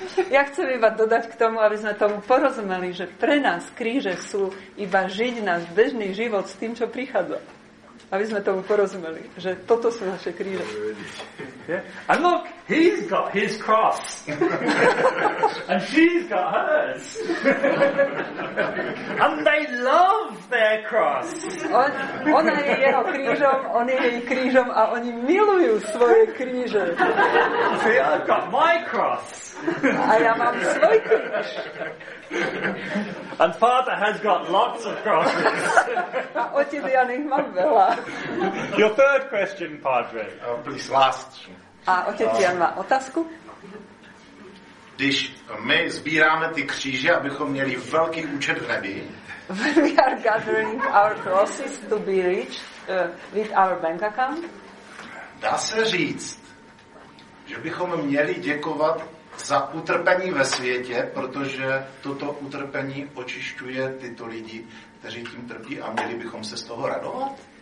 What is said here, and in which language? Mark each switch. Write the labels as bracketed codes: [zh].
[sk] Ja chcem iba dodať k tomu, aby sme tomu porozumeli, že pre nás kríže sú iba žiť náš bežný život s tým, čo prichádza. Aby sme tomu porozumeli, že toto sú naše kríže. [en] Yeah. And look, he's got his cross. And she's got hers. And they love their cross. [sk] Ona je jeho krížom, on je jej krížom a oni milujú svoje kríže. [en] See, I've got my cross. [sk] A ja mám svoj kríž. [en] And father has got lots of crosses. [sk] A otec Janik mám veľa. [en] Your third question, padre. Oh, please, last. [sk] A otec Jan má otázku. [cs] Když my sbíráme ty kříže, abychom měli velký účet v nebi. [en] When we are gathering our crosses to be rich with our bank account. [cs] Dá se říct, že bychom měli děkovat za utrpení ve světě, protože toto utrpení očišťuje tyto lidi, kteří tím trpí, a měli bychom se z toho radovat.